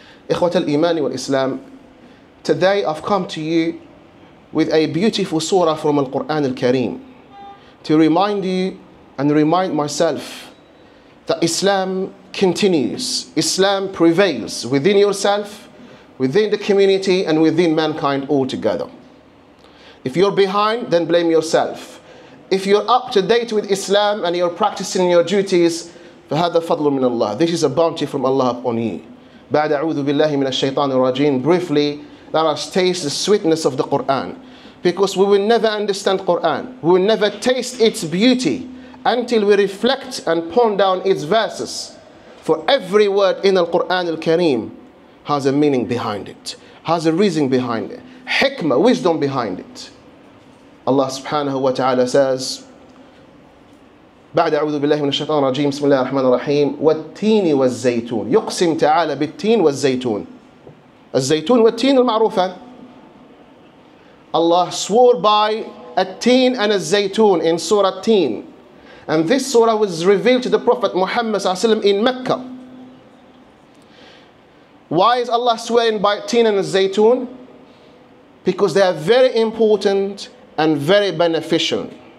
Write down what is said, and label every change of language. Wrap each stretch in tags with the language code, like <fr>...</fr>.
<ar>إخوة الإيمان والإسلام,</ar> <en>today I've come to you with a beautiful surah from the Quran al-Kareem to remind you and remind myself that Islam continues, Islam prevails within yourself, within the community, and within mankind altogether. If you're behind, then blame yourself. If you're up to date with Islam and you're practicing your duties,</en> <ar>فَهَذَا فَضْلٌ مِنَ اللَّهِ.</ar> <en>This is a bounty from Allah upon you.</en> <ar>بعد أعوذ بالله من الشيطان الرجيم.</ar> <en>Briefly, let us taste the sweetness of the Quran, because we will never understand Quran, we will never taste its beauty until we reflect and pone down its verses. For every word in the Quran al-Kareem has a meaning behind it, has a reason behind it, hikmah, wisdom behind it. Allah subhanahu wa ta'ala says,</en> <ar>بعد أعوذ بالله من الشيطان الرجيم, بسم الله الرحمن الرحيم, والتين والزيتون, يقسم تعالى بالتين والزيتون. الزيتون والتين المعروفان.</ar> <en>Allah swore by التين and الزيتون in Surah التين. And this surah was revealed to the Prophet Muhammad</en> <ar>صلى الله عليه وسلم</ar> <en>in Mecca. Why is Allah swearing by التين and الزيتون? Because they are very important and very beneficial.</en>